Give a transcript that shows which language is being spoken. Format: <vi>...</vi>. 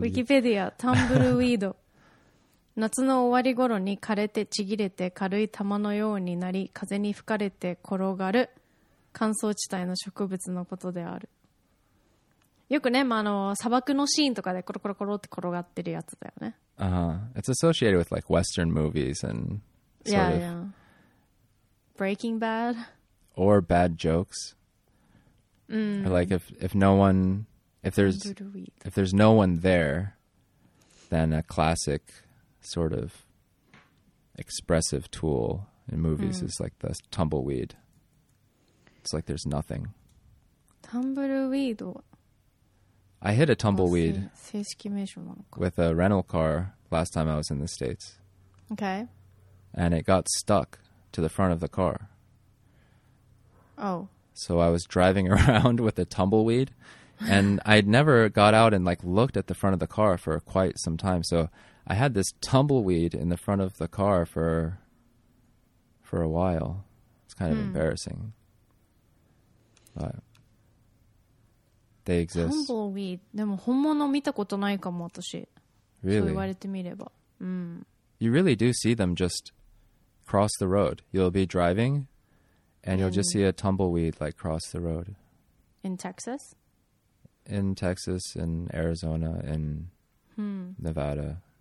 <ja>ウィキペディア、タンブルウィード。夏の終わり頃に枯れてちぎれて軽い玉のようになり、風に吹かれて転がる乾燥地帯の植物のことである。よくね、まあ、あの砂漠のシーンとかでコロコロコロって転がってるやつだよね。</ja> <en>Uh-huh. It's associated with like Western movies and sort yeah, of... yeah. Breaking Bad. Or bad jokes. Or like if there's no one there, then a classic sort of expressive tool in movies is like the tumbleweed. It's like there's nothing. Tumbleweed. I hit a tumbleweed with a rental car last time I was in the States. Okay. And it got stuck to the front of the car. Oh. So I was driving around with a tumbleweed And I'd never got out and like looked at the front of the car for quite some time. So I had this tumbleweed in the front of the car for a while. It's kind of embarrassing. But they exist. Tumbleweed.</en> <ja>でも本物見たことないかも私。</ja> <en>Really?</en> <ja>そう言われてみれば。</ja> <en>You really do see them just cross the road. You'll be driving and you'll just see a tumbleweed like cross the road. In Texas? In Texas, in Arizona, in Nevada.</en>